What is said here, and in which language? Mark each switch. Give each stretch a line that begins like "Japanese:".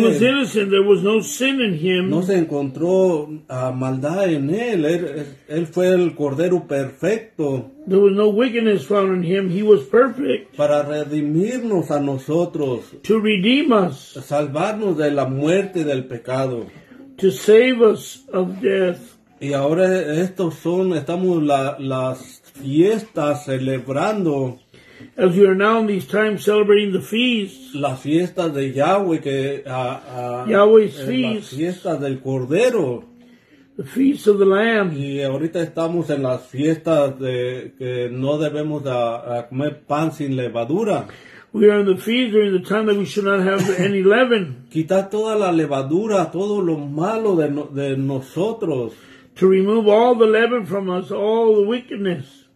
English: He was innocent, there was no sin in him.
Spanish: No se encontró maldad en él. Él fue el cordero perfecto.
English: There was no wickedness found in him. He was perfect.
Spanish: Para redimirnos a nosotros.
English: To redeem us.
Spanish: Salvarnos de la muerte y del pecado.
English: To save us of death.
Spanish: Y ahora estamos las fiestas celebrando.
English: As we are now in these times celebrating the feasts.
Spanish: Las fiestas de Yahweh que
English: Yahweh's feast.
Spanish: Las fiestas del Cordero.
English: The feast of the Lamb.
Spanish: Y ahorita estamos en las fiestas de que no debemos a comer pan sin levadura.
English: We are in the feast during the time that we should not have any leaven.
Spanish: Quitar toda la levadura, todo lo malo de nosotros.
English: To remove all the leaven from us, all the wickedness.